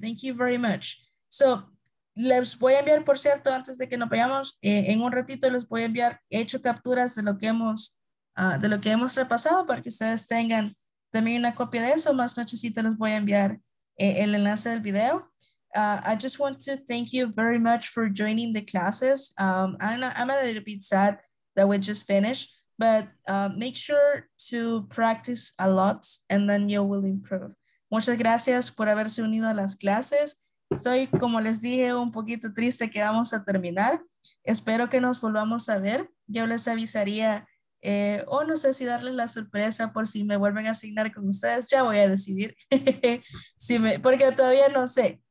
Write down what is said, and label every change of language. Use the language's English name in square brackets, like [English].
[English] Thank you very much. [Spanish] So, les voy a enviar, por cierto, antes de que nos vayamos, en un ratito les voy a enviar, he hecho capturas de lo que hemos repasado para que ustedes tengan también una copia de eso. Más nochecito les voy a enviar el enlace del video. [English] I just want to thank you very much for joining the classes. I'm a little bit sad that we just finished, but make sure to practice a lot and then you will improve. [Spanish] Muchas gracias por haberse unido a las clases. Estoy, como les dije, un poquito triste que vamos a terminar. Espero que nos volvamos a ver. Yo les avisaría, no sé si darles la sorpresa por si me vuelven a asignar con ustedes. Ya voy a decidir, porque todavía no sé.